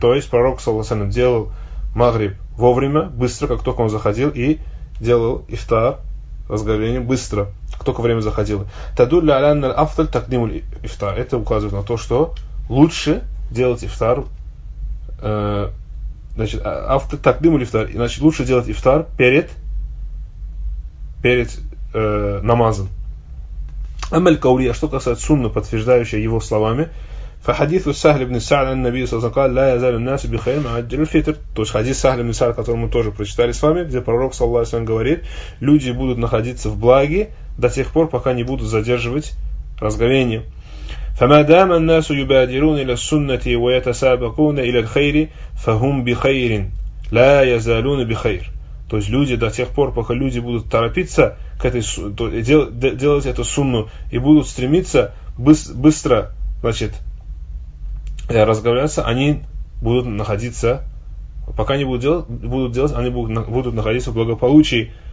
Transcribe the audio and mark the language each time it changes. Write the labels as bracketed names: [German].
[Russian] То есть пророк Саласан делал магриб вовремя, быстро, как только он заходил, и делал ифтар, разговорение быстро, как только время заходило. [Arabic] Тадулля алянна афталь такдимуль ифтар. [Russian] Это указывает на то, что лучше делать ифтар, значит, [Arabic] афталь такдимуль ифтар, [Russian] значит, лучше делать ифтар перед намазом. Амаль каури, а что касается сунны, подтверждающей его словами, [Arabic] فحديث سهل بن سعد عن النبي صلى الله عليه وسلم قال لا يزال الناس بخير معجل الفطر. [Russian] То есть хадис Сахль ибн Саъд, который мы тоже прочитали с вами, где пророк саллаллаху алейхи ва саллям говорит, люди будут находиться в благе до тех пор, пока не будут задерживать разговение. [Arabic] فما دام الناس يبادرون الى السنه ويتسابقون الى الخير فهم بخير لا يزالون بخير. [Russian] То есть люди до тех пор, пока люди будут торопиться к этой делать эту сунну и будут стремиться быстро, значит, разговариваться, они будут находиться, пока не будут делать, они будут находиться в благополучии.